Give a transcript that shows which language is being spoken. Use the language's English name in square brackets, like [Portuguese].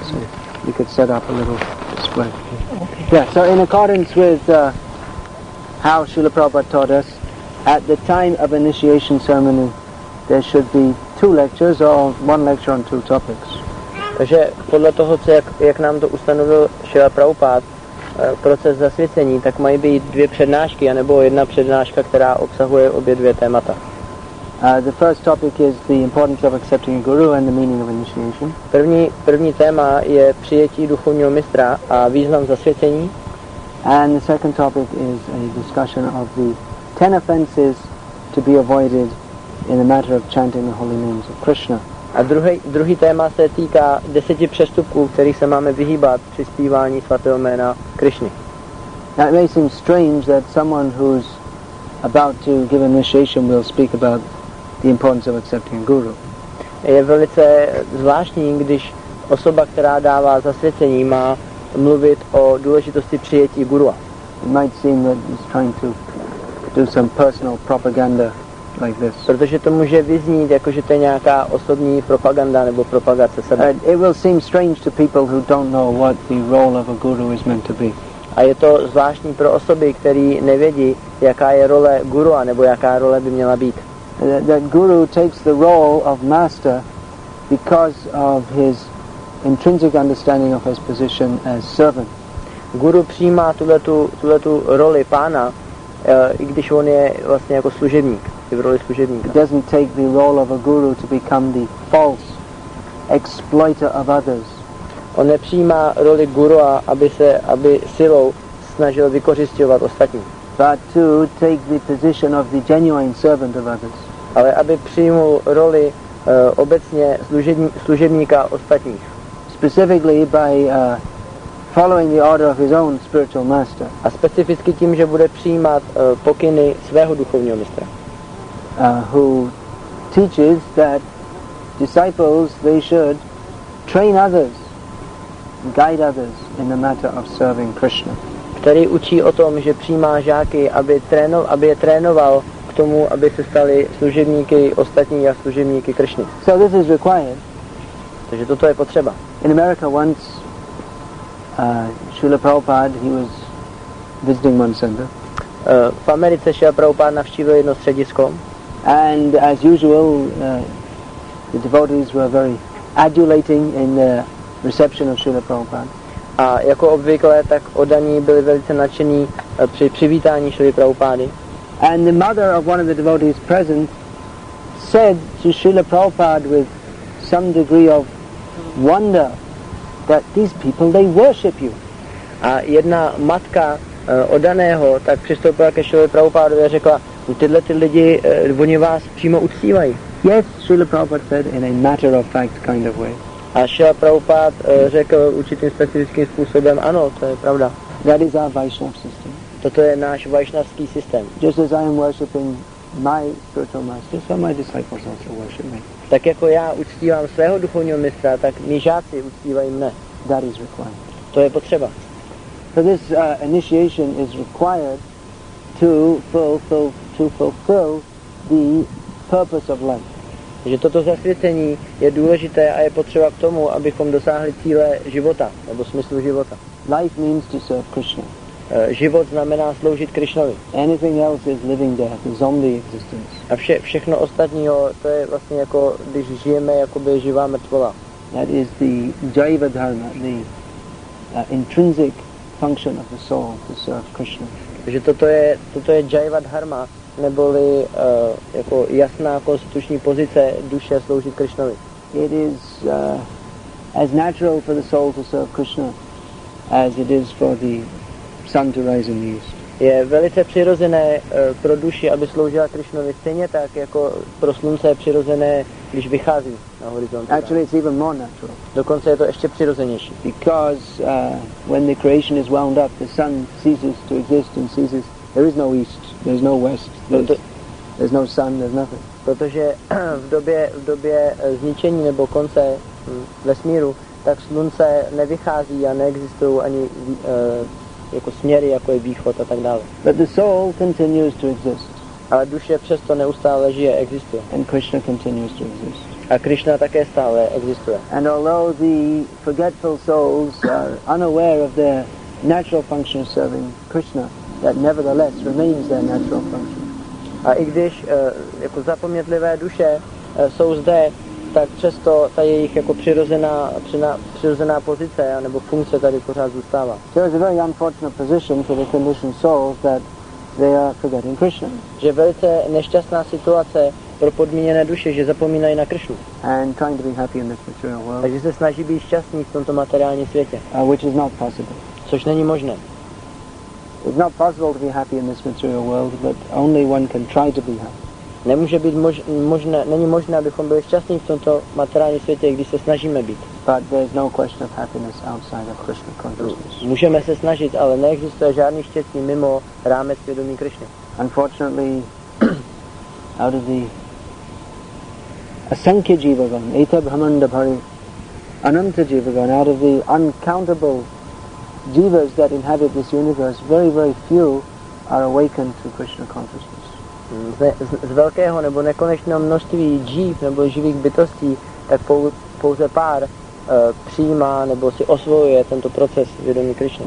[English] so you could set up a little display. Okay. Yeah, so in accordance with how Srila Prabhupada taught us, at the time of initiation ceremony, there should be two lectures or one lecture on two topics. [Czech] Takže podle toho, co jak nám to ustanovil Srila Prabhupada, proces zasvěcení, tak mají být dvě přednášky, anebo jedna přednáška, která obsahuje obě dvě témata. [English] The first topic is the importance of accepting a guru and the meaning of initiation. [Czech] První téma je přijetí duchovního mistra a význam zasvěcení. [English] And the second topic is a discussion of the 10 offenses to be avoided in the matter of chanting the holy names of Krishna. [Czech] A druhý téma se týká 10 přestupků, kterých se máme vyhýbat při zpívání svatého jména Krišny. [English] Now it may seem strange that someone who's about to give initiation will speak about the importance of accepting a guru. [Czech] Je velice zvláštní, když osoba, která dává zasvěcení, má mluvit o důležitosti přijetí gurua. [English] It might seem that he's trying to do some personal propaganda like this. [Czech] Protože to může vyznít jako, že to je nějaká osobní propaganda nebo propagace sebe. [English] It will seem strange to people who don't know what the role of a guru is meant to be. [Czech] A je to zvláštní pro osoby, které nevědí, jaká je role gurua nebo jaká role by měla být. [English] That guru takes the role of master because of his intrinsic understanding of his position as servant. [Czech] Guru přijímá tuhletu roli pána, i když on je vlastně jako služebník, je v roli služebníka. [English] It doesn't take the role of a guru to become the false exploiter of others. [Czech] On nepřijímá roli gurua, aby silou snažil vykořisťovat ostatní. [English] But to take the position of the genuine servant of others. [Czech] Ale aby přijmul roli obecně služebníka ostatních. [English] Specifically by following the order of his own spiritual master. [Czech] A specificky tím, že bude přijímat pokyny svého duchovního mistra. [English] Who teaches that disciples, they should train others, guide others in the matter of serving Krishna. [Czech] Který učí o tom, že přijímá žáky, aby je trénoval k tomu, aby se stali služebníky ostatní a služebníky Krišny. [English] So this is required. [Czech] Takže toto je potřeba. [English] In America once, Srila Prabhupada, he was visiting one center. [Czech] V Americe Srila Prabhupada navštívil jedno středisko. [English] And as usual, the devotees were very adulating in the reception of Srila Prabhupada. [Czech] A jako obvykle, tak oddaní byli velice nadšení při přivítání Srila Prabhupády. [English] And the mother of one of the devotees present said to Srila Prabhupada with some degree of wonder that these people, they worship you. [Czech] A jedna matka oddaného tak přistoupila ke Srila Prabhupádovi a řekla, tyhle ty lidi, oni vás přímo uctívají. [English] Yes, Srila Prabhupada said in a matter of fact kind of way. [Czech] A Srila Prabhupada řekl určitým specifickým způsobem, ano, to je pravda. [English] That is our Vaishnav system. [Czech] Toto je náš vaishnavský systém. [English] Just as I am worshipping my spiritual master, so my disciples also worship me. [Czech] Tak jako já uctívám svého duchovního mistra, tak mý žáci uctívají mne. [English] That is required. [Czech] To je potřeba. [English] So this initiation is required to fulfill the purpose of life. [Czech] Že toto zasvěcení je důležité a je potřeba k tomu, abychom dosáhli cíle života, nebo smyslu života. [English] Life means to serve Krishna. [Czech] Život znamená sloužit Krishnovi. [English] Anything else is living death, the zombie existence. [Czech] A všechno ostatního, to je vlastně jako, když žijeme, jakoby živá mrtvola. [English] That is the jiva dharma, the intrinsic function of the soul to serve Krishna. [Czech] Že toto je jiva dharma, neboli jako jasná konstituční pozice duše sloužit Krišnovi. [English] It is as natural for the soul to serve Krishna as it is for the sun to rise in the east. [Czech] Je velice přirozené pro duši, aby sloužila Krišnovi, stejně tak jako pro slunce je přirozené když vychází na horizont. [English] Actually, it's even more natural. [Czech] Dokonce je to ještě přirozenější. [English] Because when the creation is wound up, the sun ceases to exist and ceases. There is no east, there's no west, there's no sun, there's nothing. [Czech] Protože v době zničení nebo konce vesmíru, tak slunce nevychází a neexistují ani jako směry, jako je východ a tak dále. [English] But the soul continues to exist. [Czech] Ale duše přesto neustále žije, existuje. [English] And Krishna continues to exist. [Czech] A Krishna také stále existuje. [English] And although the forgetful souls are unaware of their natural function of serving Krishna, that nevertheless remains their natural function. [Czech] A i když jako zapomnětlivé duše jsou zde, tak přesto ta jejich jako přirozená pozice nebo funkce tady pořád zůstává. [English] So it's a very unfortunate position for the conditioned souls that they are forgetting Krishna. [Czech] Že velice nešťastná situace pro podmíněné duše, že zapomínají na Krishnu. [English] And trying to be happy in this material world. [Czech] A že se snaží být šťastný v tomto materiálním světě. [English] Which is not possible. [Czech] Což není možné. [English] It's not possible to be happy in this material world, but only one can try to be happy. [Czech] Nemůže být možné, není možné, abychom byli šťastní v tomto materiálním světě, když se snažíme být. [English] But there's no question of happiness outside of Krishna consciousness. [Czech] Můžeme se snažit, ale neexistuje žádný štěstí mimo rámec vědomí Krishny. [English] Unfortunately, out of the [Bangla] asankhya jivagan, eta bhamanda bhari, ananta jivagan, [English] out of the uncountable jivas that inhabit this universe, very, very few are awakened to Krishna consciousness. [Czech] Z velkého nebo nekonečného množství jiv nebo živých bytostí, tak pouze pár přijímá nebo si osvojuje tento proces vědomí Krishna.